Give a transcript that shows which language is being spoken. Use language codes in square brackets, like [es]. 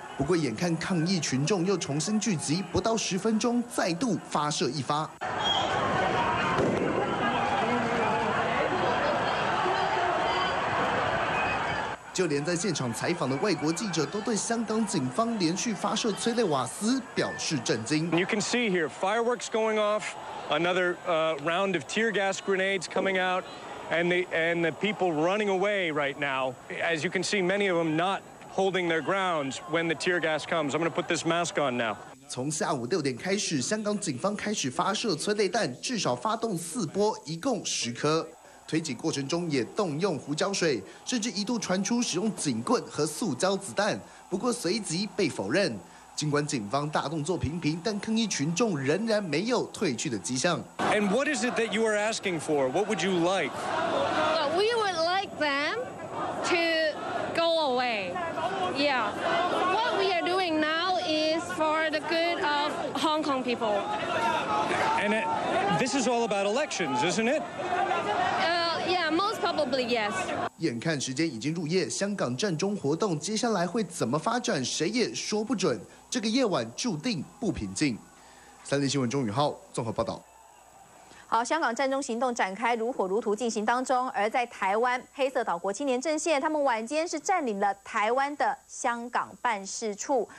[zh] 不过眼看抗议群众又重新聚集，不到10分钟再度发射一发。就连在现场采访的外国记者都对香港警方连续发射催泪瓦斯表示震惊。 [en] You can see here fireworks going off, another round of tear gas grenades coming out, and the people running away right now. As you can see, many of them not holding their grounds when the tear gas comes. I'm going to put this mask on now. [zh] 从下午6点开始，香港警方开始发射催泪弹，至少发动4波，一共10颗。推挤过程中也动用胡椒水，甚至一度传出使用警棍和塑胶子弹，不过随即被否认。尽管警方大动作频频，但抗议群众仍然没有退去的迹象。 [en] And what is it that you are asking for? What would you like? We would like them to go away. Yeah. What we are doing now is for the good of Hong Kong people. And this is all about elections, isn't it? Probably yes. [zh] 眼看时间已经入夜，香港占中活动接下来会怎么发展，谁也说不准。这个夜晚注定不平静。三立新闻钟宇浩综合报道。好，香港占中行动展开如火如荼进行当中，而在台湾，黑色岛国青年阵线他们晚间是占领了台湾的香港办事处。